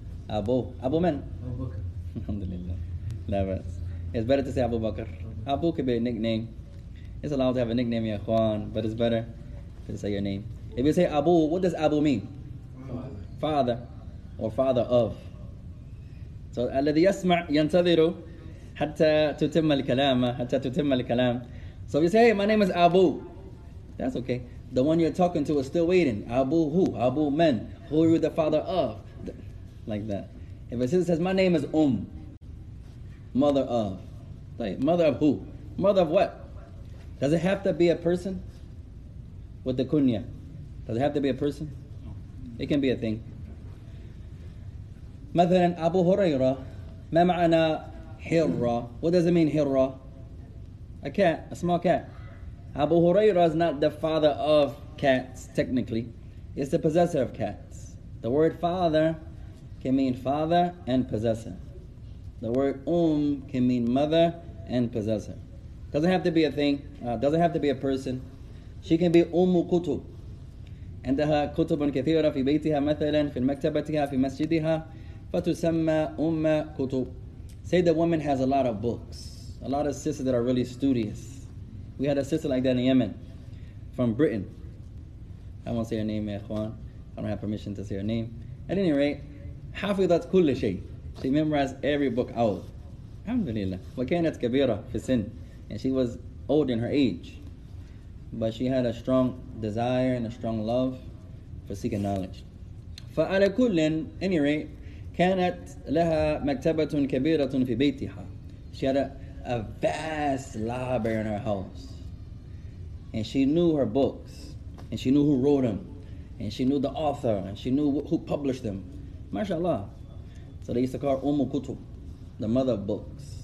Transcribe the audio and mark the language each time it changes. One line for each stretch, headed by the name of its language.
English: Abu.
Arabic: Abu من؟
English: Abu Bakr.
Arabic: الحمد لله.
English: Never. It's better to say Abu Bakr. Abu could be a nickname. It's allowed to have a nickname,
Arabic: يا أخوان,
English: but it's better to say your name. If you say Abu, what does Abu mean? Father. Father. Or father of. So,
Arabic: الذي يسمع ينتظر حتى تتم الكلام. حتى تتم الكلام.
English: So, if you say, hey, my name is Abu. That's okay. The one you're talking to is still waiting. Abu who? Abu men. Who are you the father of? Like that. If a sister says, my name is mother of. Like, mother of who? Mother of what? Does it have to be a person? With the kunya. Does it have to be a person? It can be a thing.
Arabic: مثلا أبو هريرة ما معنى هرة.
English: What does it mean هرة? A cat, a small cat. أبو هريرة is not the father of cats, technically. It's the possessor of cats. The word father can mean father and possessor. The word can mean mother and possessor. Doesn't have to be a thing. Doesn't have to be a person. She can be كتب.
Arabic: عندها كتب كثيرة في بيتها مثلا في مكتبتها في مسجدها فتسمى كتب.
English: Say the woman has a lot of books, a lot of sisters that are really studious. We had a sister like that in Yemen from Britain. I won't say her name,
Arabic: يا اخوان.
English: I don't have permission to say her name. At any rate,
Arabic: حفظت كل شيء.
English: She memorized every book out.
Arabic: الحمد لله. وكانت كبيرة في السن.
English: And she was old in her age. But she had a strong desire and a strong love for seeking knowledge.
Arabic: فعلى كل
English: any rate,
Arabic: كانت لها مكتبة كبيرة في بيتها.
English: She had a vast library in her house. And she knew her books. And she knew who wrote them. And she knew the author. And she knew who published them. MashaAllah. So they used to call her Umm Kutub, the mother of books.